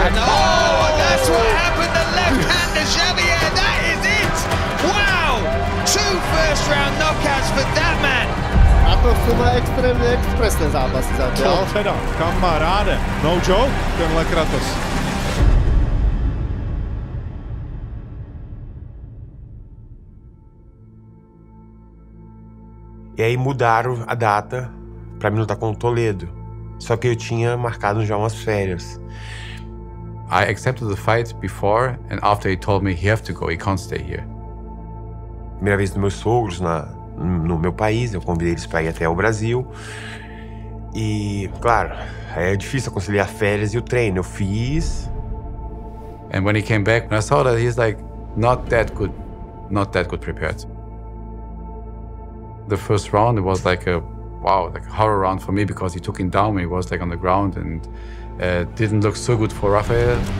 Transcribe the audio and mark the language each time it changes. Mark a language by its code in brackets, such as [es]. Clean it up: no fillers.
[en] And oh, that's what happened. The left hand to Xavier. That is it. Wow. 2 first round knockouts for that man. [cs] A to byla extrémně expresné zápasy za to. Teda, kamaráde, [en] no joke, [cs] tenhle Kratos. [pt] E aí mudaram a data pra mim lutar com o Toledo. Só que eu tinha marcado já umas férias. [en] I accepted the fight before and after he told me he have to go, he can't stay here. [pt] Primeira vez dos meus sogros no meu país, eu convidei eles pra ir até o Brasil. E, claro, é difícil conciliar férias e o treino. Eu fiz. [en] And when he came back, I saw that he's like not that good prepared. The first round, it was like a wow, like a horror round for me because he took him down when he was like on the ground and didn't look so good for Rafael.